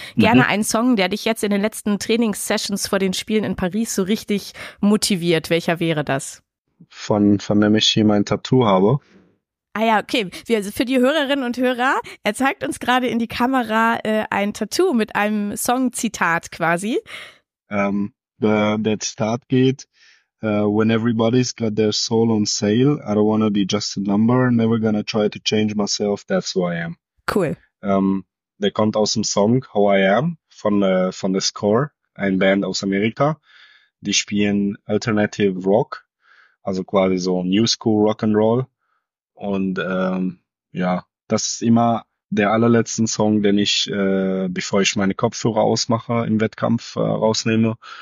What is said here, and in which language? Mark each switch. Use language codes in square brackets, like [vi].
[de] Gerne einen Song, der dich jetzt in den letzten Trainingssessions vor den Spielen in Paris so richtig motiviert. Welcher wäre das? Von dem ich hier mein Tattoo habe. Ah ja, okay. Für die Hörerinnen und Hörer, er zeigt uns gerade in die Kamera ein Tattoo mit einem Songzitat quasi. Der Start geht, [en] when everybody's got their soul on sale, I don't wanna be just a number, never gonna try to change myself, that's who I am. [de] Cool. Der kommt aus dem Song How I Am von The Score, ein Band aus Amerika. Die spielen Alternative Rock, also quasi so New School Rock and Roll. Und ja, das ist immer der allerletzte Song, den ich, bevor ich meine Kopfhörer ausmache im Wettkampf, rausnehme.